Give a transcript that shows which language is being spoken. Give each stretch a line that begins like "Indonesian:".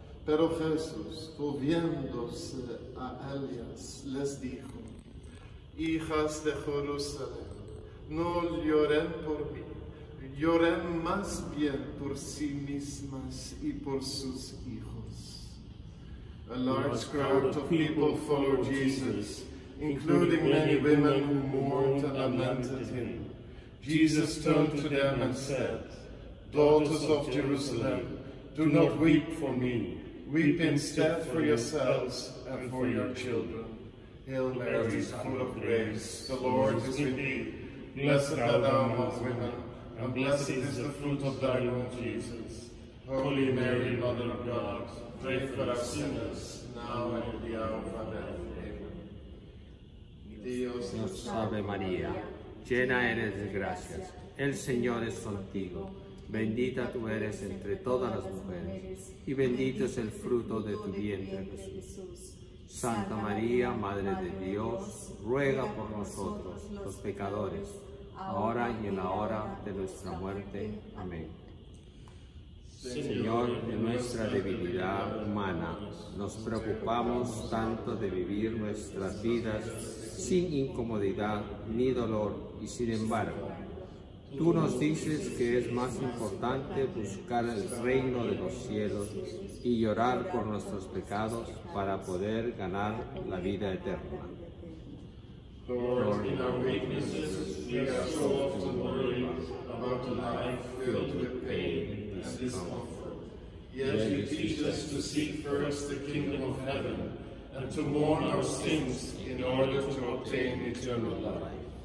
Spanish: Pero Jesús, volviéndose a ellas, les dijo: Hijas de Jerusalén, no lloren por mí, lloren más bien por sí mismas y por sus hijos.
English: A large crowd of people followed Jesus, including many women who mourned and lamented him. Jesus turned to them and said, Daughters of Jerusalem, do not weep for me. Weep instead for yourselves and for your children. Hail Mary, full of grace, the Lord is with thee. Blessed art thou among women, and blessed is the fruit of thy womb, Jesus. Holy Mary, Mother of God, pray for us sinners, now and at the hour of our death. Amen.
Spanish: Dios salve Maria. Llena eres de gracias, el Señor es contigo. Bendita tú eres entre todas las mujeres, y bendito es el fruto de tu vientre, Jesús. Santa María, Madre de Dios, ruega por nosotros, los pecadores, ahora y en la hora de nuestra muerte. Amén. Señor, en nuestra debilidad humana, nos preocupamos tanto de vivir nuestras vidas sin incomodidad ni dolor, y sin embargo, tú nos dices que es más importante buscar el reino de los cielos y llorar por nuestros pecados para poder ganar la vida eterna.
English: Lord, in our weaknesses, we are so often worried about a life filled with pain and discomfort. Yet you teach us to seek first the kingdom of heaven and to mourn our sins in order to obtain eternal life.